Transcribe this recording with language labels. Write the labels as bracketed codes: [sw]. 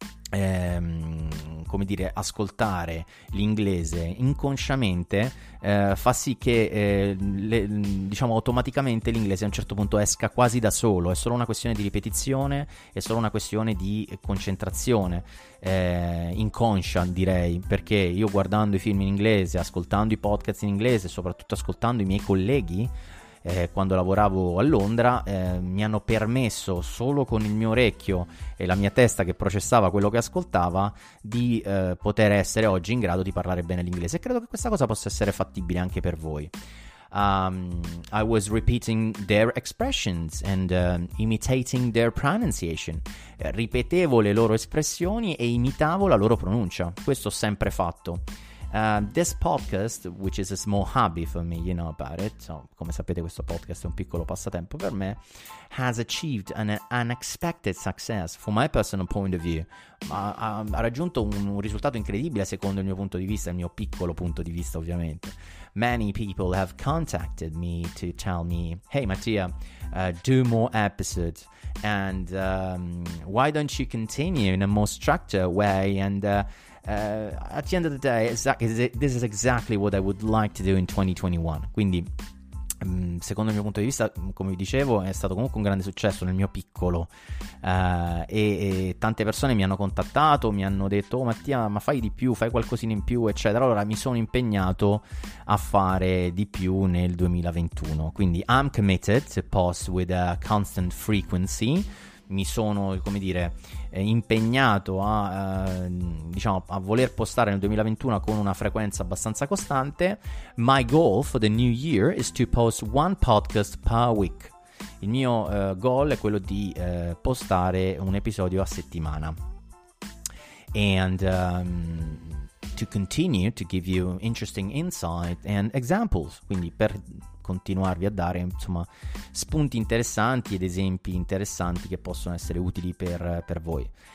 [it] come dire, ascoltare l'inglese inconsciamente fa sì che, diciamo, automaticamente l'inglese a un certo punto esca quasi da solo. È solo una questione di ripetizione, è solo una questione di concentrazione inconscia, direi, perché io, guardando i film in inglese, ascoltando i podcast in inglese, soprattutto ascoltando i miei colleghi quando lavoravo a Londra, mi hanno permesso, solo con il mio orecchio e la mia testa che processava quello che ascoltava, di poter essere oggi in grado di parlare bene l'inglese. E credo che questa cosa possa essere fattibile anche per voi. [en] I was repeating their expressions and imitating their pronunciation. [it] Ripetevo le loro espressioni e imitavo la loro pronuncia. Questo ho sempre fatto. [en] This podcast, which is a small hobby for me, you know about it. So, [it] come sapete, questo podcast è un piccolo passatempo per me. [en] Has achieved an unexpected success from my personal point of view. [it] Ha raggiunto un risultato incredibile secondo il mio punto di vista, il mio piccolo punto di vista, ovviamente. [en] Many people have contacted me to tell me, hey Mattia, do more episodes and why don't you continue in a more structured way? And at the end of the day, this is exactly what I would like to do in 2021. [it] Quindi, secondo il mio punto di vista, come vi dicevo, è stato comunque un grande successo nel mio piccolo, e tante persone mi hanno contattato, mi hanno detto, oh Mattia, ma fai di più, fai qualcosina in più, eccetera. Allora mi sono impegnato a fare di più nel 2021, quindi [en] I'm committed to post with a constant frequency. [it] Mi sono, come dire, impegnato a, diciamo, a voler postare nel 2021 con una frequenza abbastanza costante. [en] My goal for the new year is to post one podcast per week. [it] Il mio goal è quello di postare un episodio a settimana. [en] And to continue to give you interesting insight and examples. [it] Quindi per continuarvi a dare, insomma, spunti interessanti ed esempi interessanti che possono essere utili per voi.